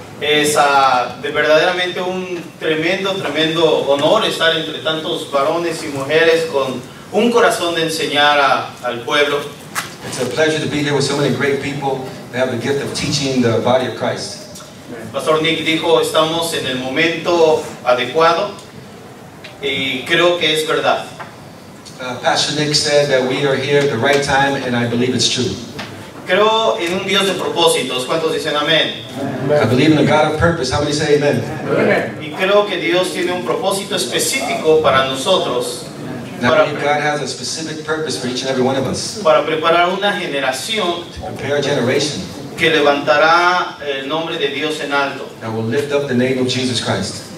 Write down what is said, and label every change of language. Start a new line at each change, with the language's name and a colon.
Spanish: Es de verdaderamente un tremendo, tremendo honor estar entre tantos varones y mujeres con un corazón de enseñar al pueblo.
English: It's a pleasure to be here with so many great people. They have the gift of teaching the body of Christ.
Spanish: Pastor Nick dijo, estamos en el momento adecuado. Y creo que es verdad.
English: Pastor Nick said that we are here at the right time, and I believe it's true.
Spanish: Creo en un Dios de propósitos. ¿Cuántos dicen amén?
English: I believe in a God of purpose. How many say amen?
Spanish: Y creo que Dios tiene un propósito específico para nosotros.
English: Now, God has a specific purpose for each and every one of us.
Spanish: Para preparar una generación.
English: To prepare a generation.
Spanish: Que levantará el nombre de Dios en alto.
English: That will lift up the name of Jesus Christ.